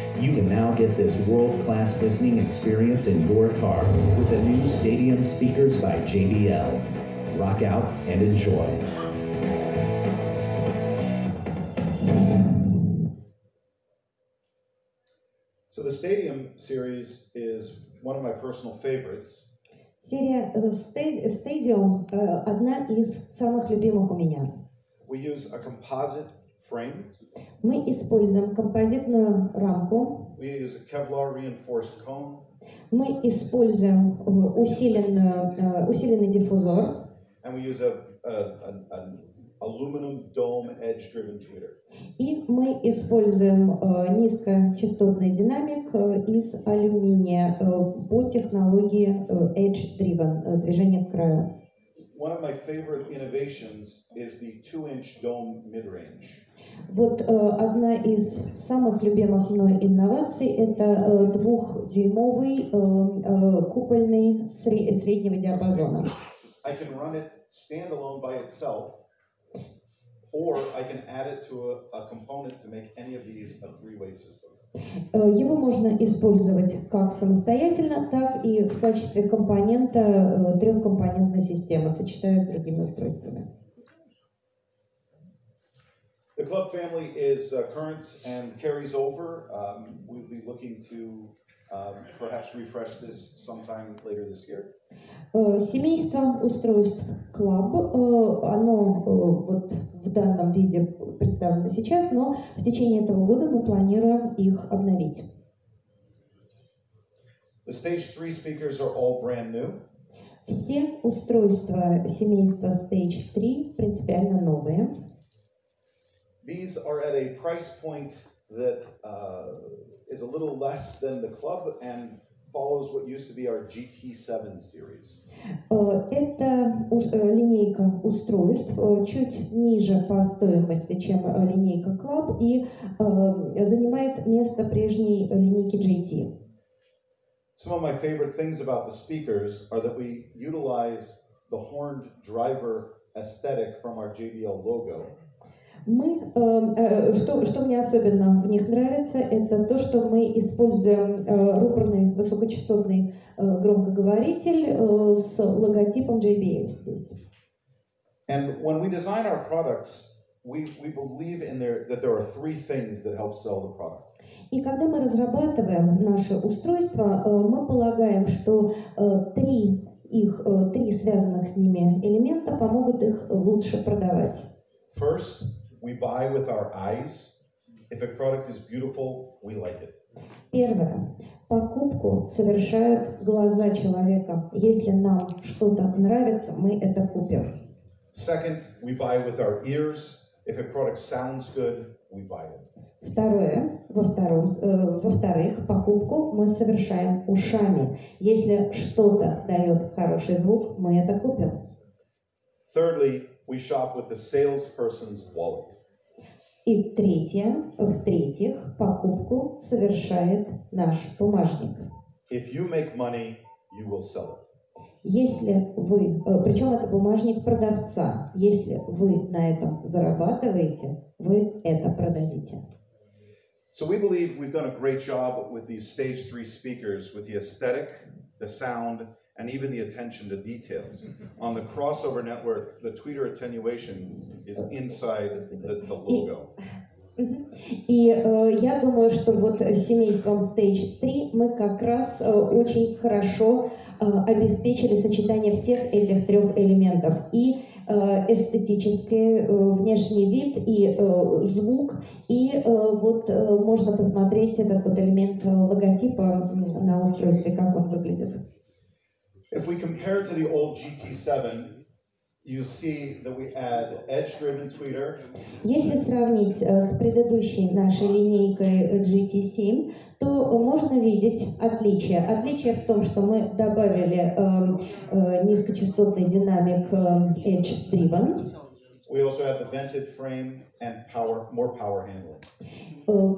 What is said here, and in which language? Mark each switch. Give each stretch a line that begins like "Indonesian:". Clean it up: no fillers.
English: You can now get this world-class listening experience in your car with the new Stadium Speakers by JBL. Rock out and enjoy. So the Stadium series is one of my personal favorites.
Russian: Серия Stadium одна из самых любимых у меня.
English: We use a composite frame.
Russian: Мы используем композитную рамку.
English: We use a Kevlar reinforced cone.
Russian: Мы используем усиленный диффузор.
English: And we use an aluminum dome edge driven tweeter.
Russian: И мы используем низкочастотный динамик из алюминия по технологии edge driven движение к краю.
English: One of my favorite innovations is the 2-inch dome midrange.
Russian: Вот одна из самых любимых мной инноваций – это двухдюймовый купольный среднего диапазона.
English: I can run it standalone by itself, or I can add it to a component to make any of these a three-way system.
Russian: Его можно использовать как самостоятельно, так и в качестве компонента трехкомпонентной системы, сочетая с другими устройствами.
English: The club family is current and carries over. We'll be looking to perhaps refresh this sometime later this year.
Russian: Семейство устройств club, оно вот в данном виде представлено сейчас, но в течение этого года мы планируем их обновить.
English: The Stage 3 speakers are all brand new.
Russian: Все устройства семейства Stage 3 принципиально новые.
English: These are at a price point that is a little less than the club and follows what used to be our GT7 series.
Russian: Это линейка устройств чуть ниже по стоимости, чем линейка club, и занимает место прежней линейки GT.
English: Some of my favorite things about the speakers are that we utilize the horned driver aesthetic from our JBL logo.
Russian: Что мне особенно в них нравится, это то, что мы используем рупорный высокочастотный громкоговоритель с логотипом JBL здесь.
English: And when we design our products, we believe in that there are three things that help sell the product.
Russian: И когда мы разрабатываем наше устройство, мы полагаем, что три связанных с ними элемента помогут их лучше продавать.
English: First, we buy with our eyes. If a product is beautiful, we like it.
Russian: Первое. Покупку совершают глаза человека. Если нам что-то нравится, мы это купим.
English: Second, we buy with our ears. If a product sounds good, we buy it.
Russian: Второе. Во-вторых, покупку мы совершаем ушами. Если что-то дает хороший звук, мы это купим.
English: Thirdly, we shop with the salesperson's wallet.
Russian: И третье, в-третьих, покупку совершает наш бумажник.
English: If you make money, you will sell it.
Russian: Если вы, причем это бумажник продавца, если вы на этом зарабатываете, вы это продадите.
English: So we believe we've done a great job with these Stage 3 speakers, with the aesthetic, the sound, and even the attention to details. On the crossover network, the tweeter attenuation is inside the logo.
Russian: И я думаю, что вот семейством Stage 3 мы как раз очень хорошо обеспечили сочетание всех этих трех элементов. И эстетический внешний вид, и звук, и вот можно посмотреть этот вот элемент логотипа на устройстве, как он выглядит.
English: If we compare to the old GT7, you see that we add edge-driven tweeter.
Russian: Если сравнить с предыдущей нашей линейкой GT7, то можно видеть отличие. Отличие в том, что мы добавили низкочастотный динамик edge-driven.
English: We also have the vented frame and power, more power handling.